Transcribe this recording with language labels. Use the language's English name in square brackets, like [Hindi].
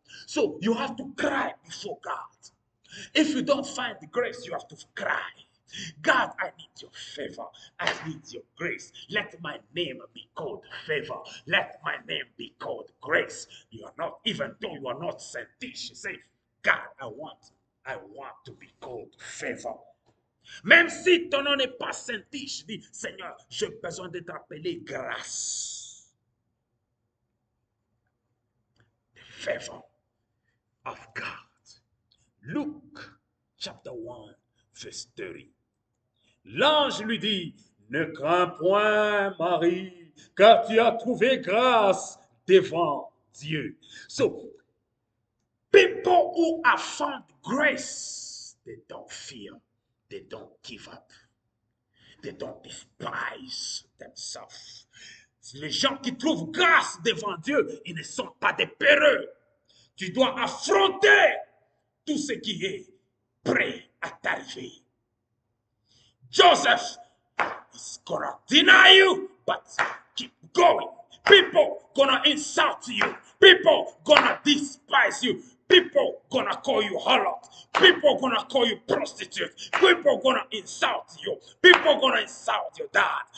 [English] So you have to cry before God. If you don't find the grace, you have to cry. God, I need your favor. I need your grace. Let my name be called favor. Let my name be called grace. You are not, even though you are not sanctified, say, God, I want to be called favor. [French] Même si ton nom n'est pas sainte, je dis, Seigneur, j'ai besoin d'être appelé grâce. [English] The favor of God. Luke chapter 1, verse 30. [French] L'ange lui dit, ne crains point, Marie, car tu as trouvé grâce devant Dieu. [English] So, people who have found grace, they don't fear. They don't give up. They don't despise themselves. [French] Les gens qui trouvent grâce devant Dieu, ils ne sont pas des peureux. Tu dois affronter tout ce qui est prêt à t'arriver. [English] Joseph is gonna deny you, but keep going. People gonna insult you. People gonna despise you. People gonna call you harlot. People gonna call you prostitute. People gonna insult you. People gonna insult your dad.